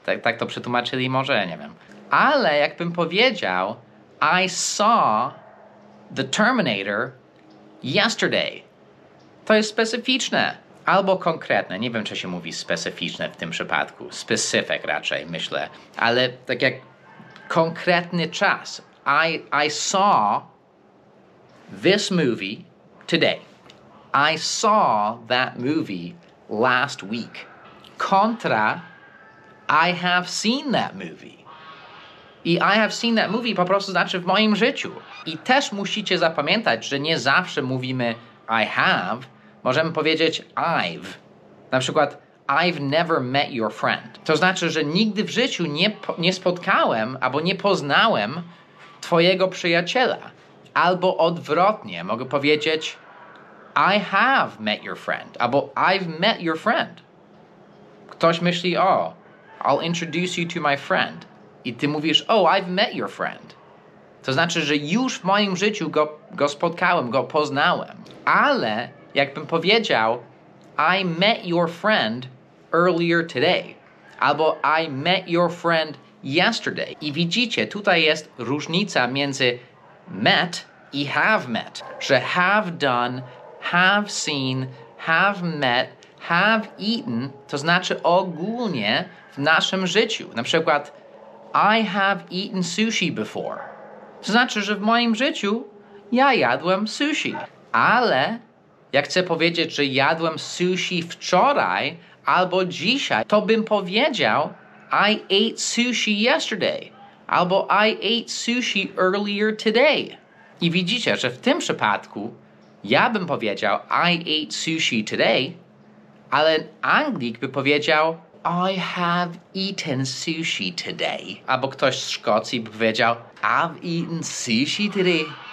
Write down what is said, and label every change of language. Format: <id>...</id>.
<pl>Tak to przetłumaczyli może? Nie wiem. Ale jakbym powiedział,</pl> <en>I saw the Terminator yesterday.</en> <pl>To jest specyficzne. Albo konkretne, nie wiem, czy się mówi specyficzne w tym przypadku. Specific raczej, myślę. Ale tak jak konkretny czas.</pl> <en>I saw this movie today. I saw that movie last week. Kontra, I have seen that movie. I have seen that movie</en> <pl>po prostu znaczy w moim życiu. I też musicie zapamiętać, że nie zawsze mówimy I have. Możemy powiedzieć</pl> <en>I've.</en> <pl>Na przykład,</pl> <en>I've never met your friend.</en> <pl>To znaczy, że nigdy w życiu nie spotkałem albo nie poznałem twojego przyjaciela. Albo odwrotnie, mogę powiedzieć</pl> <en>I have met your friend. Albo I've met your friend.</en> <pl>ktoś myśli,</pl> <en>o, I'll introduce you to my friend.</en> <pl>I ty mówisz,</pl> <en>oh, I've met your friend.</en> <pl>To znaczy, że już w moim życiu go spotkałem, go poznałem. Ale jakbym powiedział,</pl> <en>I met your friend earlier today. Albo I met your friend yesterday.</en> <pl>I widzicie, tutaj jest różnica między met i have met. Że have done, have seen, have met, have eaten, to znaczy ogólnie w naszym życiu. Na przykład,</pl> <en>I have eaten sushi before.</en> <pl>To znaczy, że w moim życiu ja jadłem sushi. Ale jak chcę powiedzieć, że jadłem sushi wczoraj albo dzisiaj, to bym powiedział</pl> <en>I ate sushi yesterday. Albo I ate sushi earlier today.</en> <pl>I widzicie, że w tym przypadku ja bym powiedział</pl> <en>I ate sushi today,</en> <pl>ale Anglik by powiedział</pl> <en>I have eaten sushi today.</en> <pl>Albo ktoś z Szkocji by powiedział</pl> <en>I've eaten sushi today.</en>